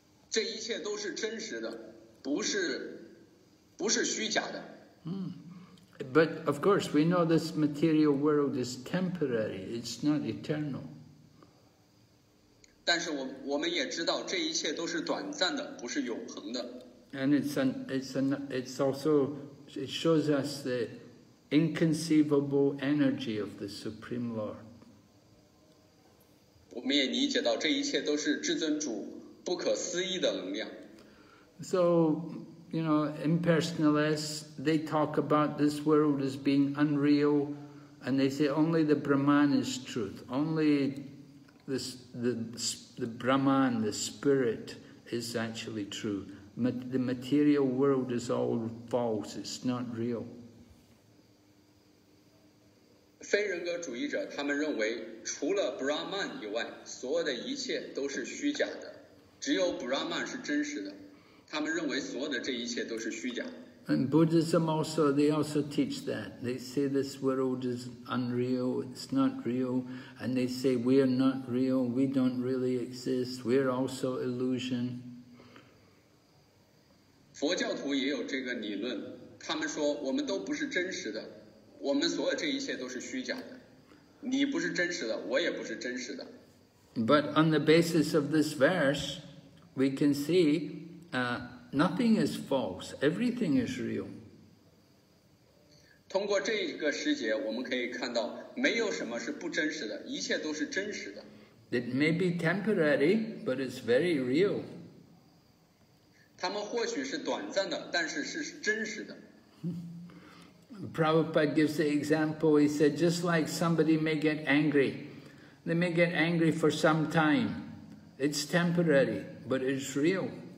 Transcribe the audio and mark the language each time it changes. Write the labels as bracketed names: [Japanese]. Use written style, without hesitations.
[Chinese] 这一切都是真实的，不是虚假的。 [English] But of course, we know this material world is temporary. It's not eternal. [Chinese] 但是我们也知道，这一切都是短暂的，不是永恒的。 [English] And it's also. It shows us the inconceivable energy of the Supreme Lord. [Chinese] 我们也理解到这一切都是至尊主不可思议的能量。 [English] So you know, impersonalists, they talk about this world as being unreal, and they say only the Brahman is truth. Only the Brahman, the spirit, is actually true. The material world is all false. It's not real. [Chinese] 非人格主义者他们认为除了 Brahman 以外所有的一切都是虚假的 只有 Brahman 是真实的 [English] And Buddhism also, they also teach that. They say this world is unreal, it's not real. And they say we are not real, we don't really exist, we're also illusion. [Chinese] 佛教徒也有这个理论, 他们说我们都不是真实的, 我们所有这一切都是虚假的, 你不是真实的, 我也不是真实的。 [English] But on the basis of this verse, we can see nothing is false, everything is real. [Chinese] 通过这一个时节, 我们可以看到, 没有什么是不真实的, 一切都是真实的。 [English] It may be temporary, but it's very real. [Chinese] 他们或许是短暂的, 但是是真实的。 [English] Prabhupada gives the example, he said, just like somebody may get angry, they may get angry for some time, it's temporary, but it's real.